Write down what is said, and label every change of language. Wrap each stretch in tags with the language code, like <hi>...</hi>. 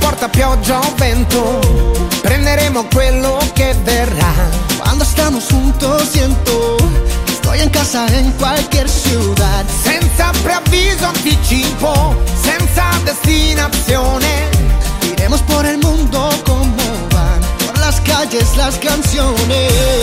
<it>Pioggia o vento, prenderemo quello che verrà.</it> <es>Quando estamos juntos siento que estoy en casa en cualquier ciudad.</es> <it>Senza preavviso anticipo, senza destinazione,</it> <es>iremos por el mundo como van. Por las calles las canciones.</es>